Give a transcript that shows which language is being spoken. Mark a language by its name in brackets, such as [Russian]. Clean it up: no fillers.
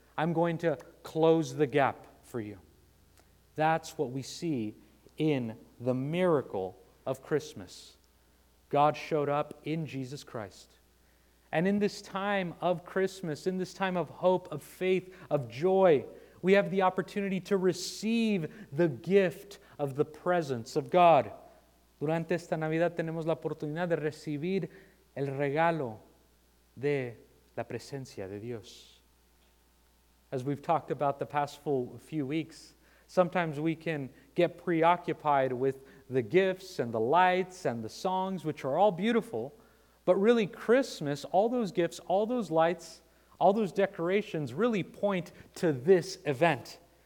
[English] I'm going to close the gap for you. That's what we see in the miracle of Christmas. God showed up in Jesus Christ. And in this time of Christmas, in this time of hope, of faith, of joy, we have the opportunity to receive the gift of the presence of God. [Spanish] Durante esta Navidad tenemos la oportunidad de recibir el regalo de la presencia de Dios. [English] As we've talked about the past few weeks, sometimes we can get preoccupied with the gifts and the lights and the songs, which are all beautiful, but really Christmas, all those gifts, all those lights, all those decorations really point to this event.